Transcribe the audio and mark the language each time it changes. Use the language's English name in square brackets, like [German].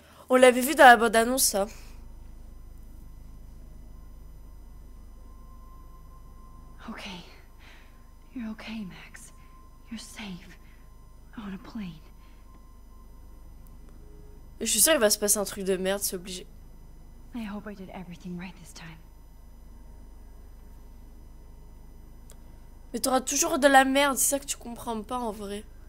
[French] On l'avait vu dans la bande-annonce, ça. [English] Okay. You're okay, Max. You're safe. On a plane. [French] Je suis sûre qu'il va se passer un truc de merde, c'est obligé. [English] I hope I did everything right this time. [French] Mais t'auras toujours de la merde, c'est ça que tu comprends pas en vrai.